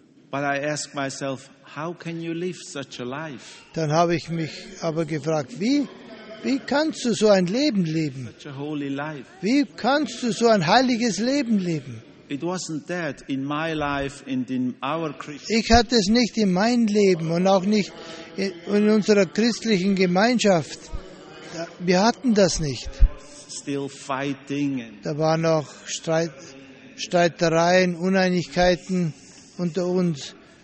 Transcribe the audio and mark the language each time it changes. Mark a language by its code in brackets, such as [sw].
[en] But I asked myself, how can you live such a life? [de] Dann habe ich mich aber gefragt, wie kannst du so ein Leben leben? [en] Such a holy life. [de] Wie kannst du so ein heiliges Leben leben? [en] It wasn't that in my life and in our Christian. [de] Ich hatte es nicht in meinem Leben und auch nicht in unserer christlichen Gemeinschaft. Wir hatten das nicht. [en] Still fighting. [de] Da waren auch Streitereien, Uneinigkeiten unter uns.